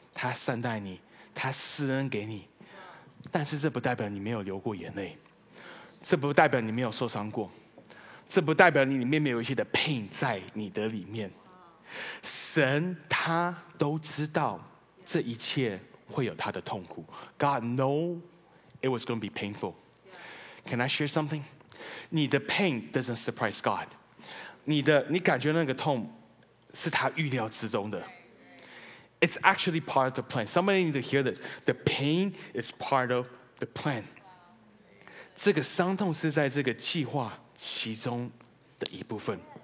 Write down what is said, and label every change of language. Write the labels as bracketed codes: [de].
[zh] 他善待你，他施恩给你，但是这不代表你没有流过眼泪，这不代表你没有受伤过，这不代表你里面没有一些的 pain 在你的里面。神他都知道这一切会有他的痛苦。 [en] God know it was going to be painful. Can I share something? 你的 pain doesn't surprise God. [zh] 你感觉那个痛是他预料之中的。 [en] It's actually part of the plan. Somebody need to hear this. The pain is part of the plan. [zh] 这个伤痛是在这个计划其中的一部分。